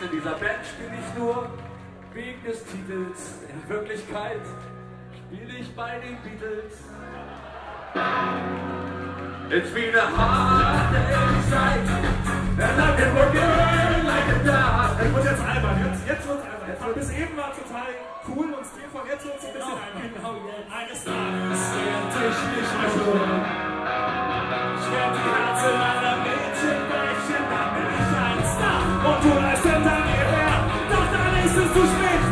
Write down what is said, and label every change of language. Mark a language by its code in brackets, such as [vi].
[de] In dieser Band spiele ich nur wegen des Titels. In Wirklichkeit spiele ich bei den Beatles. [en] It's been a hard day's night, and I've been working like a dog. [de] Es wird jetzt albern, jetzt wird es albern. Jetzt wird's. Bis eben war total cool und stil, von jetzt wird es ein bisschen albern. Genau jetzt. Eines Tages werde ich mich verschonen. Ich werde die Herzen meiner Mädchen brechen, dann bin ich ein Star. Und du reist hinter mir her, doch dann ist es zu spät.